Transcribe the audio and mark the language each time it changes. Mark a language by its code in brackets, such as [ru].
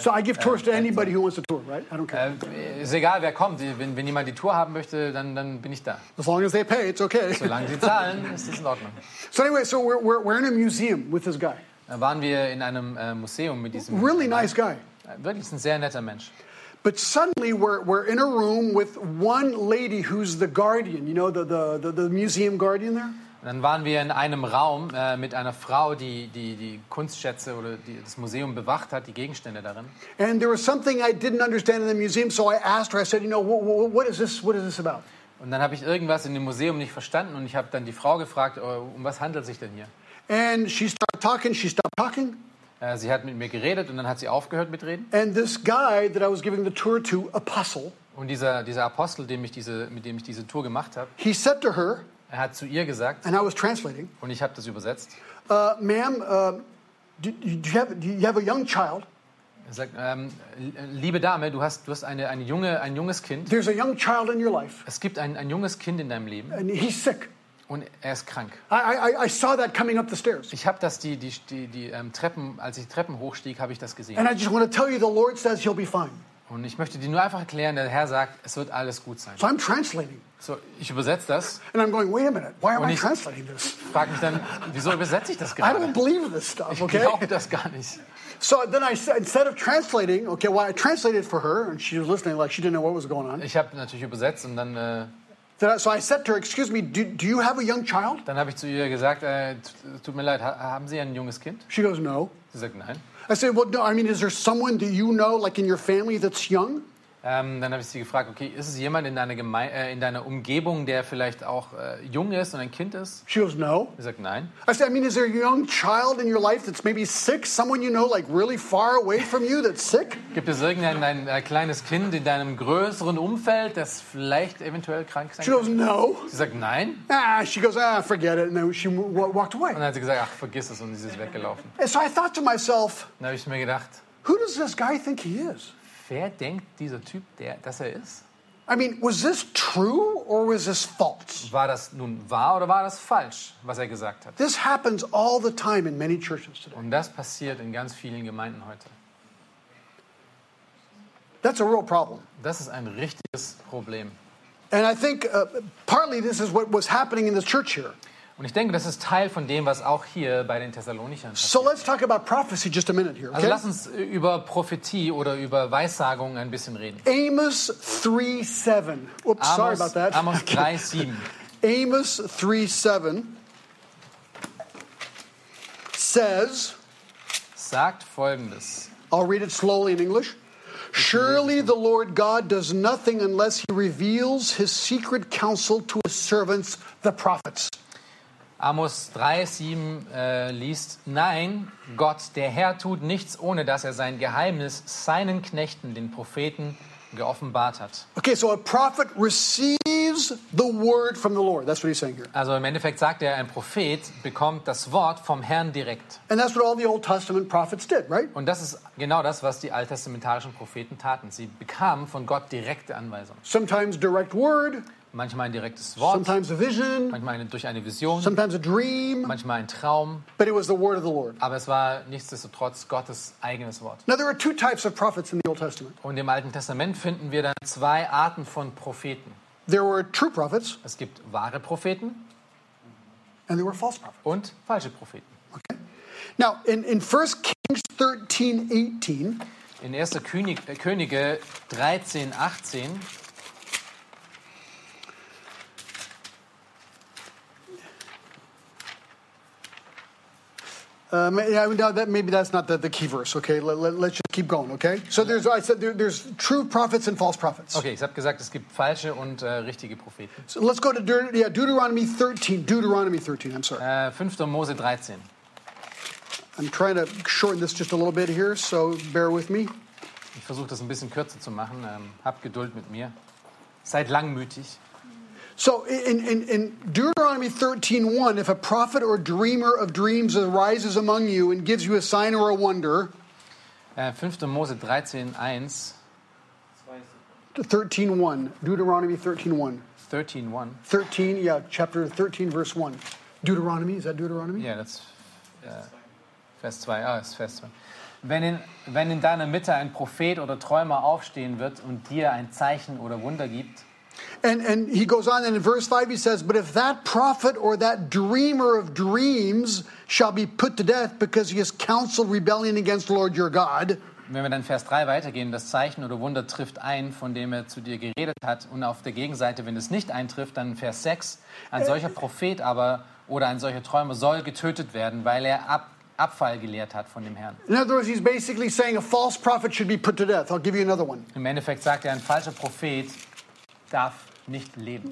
[en] So I give tours to anybody who wants a tour, right? I don't care. [de] Ist egal, wer kommt. Wenn jemand die Tour haben möchte, dann bin ich da. [en] As long as they pay, it's okay. [de] Solange sie zahlen, ist das in Ordnung. [en] So anyway, so we're in a museum with this guy. [de] Waren wir in einem Museum mit diesem [en] really nice guy. [de] Wirklich ein sehr netter Mensch. [en] But suddenly we're in a room with one lady who's the guardian, you know, the museum guardian there. [de] Dann waren wir in einem Raum mit einer Frau, die Kunstschätze oder das Museum bewacht hat, die Gegenstände darin. [en] And there was something I didn't understand in the museum, so I asked her. I said, you know, what is this? What is this about? [de] Und dann habe ich irgendwas in dem Museum nicht verstanden und ich habe dann die Frau gefragt, um was handelt sich denn hier? [en] And she started talking. She stopped talking. [de] Sie hat mit mir geredet und dann hat sie aufgehört mit reden. [en] And this guy that I was giving the tour to, apostle. [de] Und dieser Apostel, mit dem ich diese Tour gemacht habe. [en] He said to her. [de] Er hat zu ihr gesagt, [en] and I was translating. [de] Und ich habe das übersetzt. [en] Ma'am, do you have a young child? [de] Er sagt, liebe Dame, du hast ein junges Kind. [en] There's a young child in your life. [de] Es gibt ein junges Kind in deinem Leben. [en] And he's sick. [de] Und er ist krank. [en] I saw that coming up the stairs. [de] Ich habe das die Treppen, als ich die Treppen hochstieg, habe ich das gesehen. [en] And I just want to tell you, the Lord says he'll be fine. [de] Und ich möchte dir nur einfach erklären, der Herr sagt, es wird alles gut sein. [en] So I'm translating. [de] So, ich übersetze das. [en] And I'm going, wait a minute, why am I translating this? [de] Frag mich dann, wieso übersetze ich das gerade? [en] I don't believe this stuff, okay? [de] Ich glaube das gar nicht. [en] So then I said, instead of translating, okay, well, I translated for her, and she was listening, like she didn't know what was going on. [de] Ich habe natürlich übersetzt und dann... [en] So I said to her, excuse me, do you have a young child? [de] Dann habe ich zu ihr gesagt, tut mir leid, haben Sie ein junges Kind? [en] She goes, no. [de] Sie sagt, nein. [en] I said, well, no, I mean, is there someone that you know, like in your family, that's young? [de] Dann habe ich sie gefragt, okay, ist es jemand in deiner, in deiner Umgebung, der vielleicht auch jung ist und ein Kind ist? [en] She goes, no. [de] Sie sagt, nein. [en] I said, I mean, is there a young child in your life that's maybe sick? Someone you know, like really far away from you, that's sick? [de] Gibt es irgendein kleines Kind in deinem größeren Umfeld, das vielleicht eventuell krank sein [en] She goes, no. [de] Sie sagt, nein. [en] Ah, she goes, ah, forget it. And she walked away. [de] Und dann hat sie gesagt, ach, vergiss es. Und sie ist weggelaufen. [en] And so I thought to myself, [de] dann habe ich mir gedacht, [en] who does this guy think he is? [de] Wer denkt dieser Typ, der, dass er ist? [en] I mean, was this true or was this false? [de] War das nun wahr oder war das falsch, was er gesagt hat? [en] This happens all the time in many churches today. [de] Und das passiert in ganz vielen Gemeinden heute. [en] That's a real problem. [de] Das ist ein richtiges Problem. [en] And I think partly this is what was happening in the church here. [de] Und ich denke, das ist Teil von dem, was auch hier bei den Thessalonichern passiert. [en] So let's talk about prophecy just a minute here, okay? [de] Also lass uns über Prophetie oder über Weissagung ein bisschen reden. [en] Amos 3:7. Oops, Amos, sorry about that. Amos 3:7. Amos 3:7 says, [de] sagt folgendes. [en] I'll read it slowly in English. Surely the Lord God does nothing unless he reveals his secret counsel to his servants, the prophets. [de] Amos 3:7 liest, nein, Gott, der Herr tut nichts, ohne dass er sein Geheimnis seinen Knechten, den Propheten, geoffenbart hat. [en] Okay, so a prophet receives the word from the Lord. That's what he's saying here. [de] Also im Endeffekt sagt er, ein Prophet bekommt das Wort vom Herrn direkt. [en] And that's what all the Old Testament prophets did, right? [de] Und das ist genau das, was die alttestamentarischen Propheten taten. Sie bekamen von Gott direkte Anweisungen. [en] Sometimes direct word. [de] Manchmal ein direktes Wort. [en] Sometimes a vision. [de] Manchmal durch eine Vision. [en] Sometimes a dream. [de] Manchmal ein Traum. [en] But it was the word of the Lord. [de] Aber es war nichtsdestotrotz Gottes eigenes Wort. [en] Now there are two types of prophets in the Old Testament. [de] Und im Alten Testament finden wir dann zwei Arten von Propheten. [en] There were true prophets. [de] Es gibt wahre Propheten. [en] And there were false prophets. [de] Und falsche Propheten. [en] Okay. Now in 1 Kings 13:18. [de] In 1. Könige 13:18. [en] Maybe that's not the key verse. Okay, let's just keep going. Okay, so there's I said there's true prophets and false prophets. [de] Okay, ich habe gesagt, es gibt falsche und richtige Propheten. [en] So let's go to Deuteronomy 13. Deuteronomy 13. I'm sorry. [de] 5. Mose 13. [en] I'm trying to shorten this just a little bit here, so bear with me. [de] Ich versuche das ein bisschen kürzer zu machen. Hab Geduld mit mir. Seid langmütig. [en] So in Deuteronomy 13:1, if a prophet or dreamer of dreams arises among you and gives you a sign or a wonder. [de] 5. Mose 13:1. [en] 13:1. Deuteronomy 13:1. 13:1. 13, yeah, chapter 13, verse 1. Deuteronomy, is that Deuteronomy? Yeah, that's [de] Vers 2. Ah, ist Vers 2. Wenn in deiner Mitte ein Prophet oder Träumer aufstehen wird und dir ein Zeichen oder Wunder gibt. [en] And he goes on, and in verse 5 he says, but if that prophet or that dreamer of dreams shall be put to death because he has counseled rebellion against the Lord your God. [de] Wenn wir dann Vers 3 weitergehen, das Zeichen oder Wunder trifft ein, von dem er zu dir geredet hat, und auf der Gegenseite, wenn es nicht eintrifft, dann Vers 6, ein solcher Prophet aber oder ein solcher Träumer soll getötet werden, weil er Abfall gelehrt hat von dem Herrn. [en] In other words, he's basically saying a false prophet should be put to death. I'll give you another one. [de] Im Endeffekt sagt er, ein falscher Prophet darf nicht leben.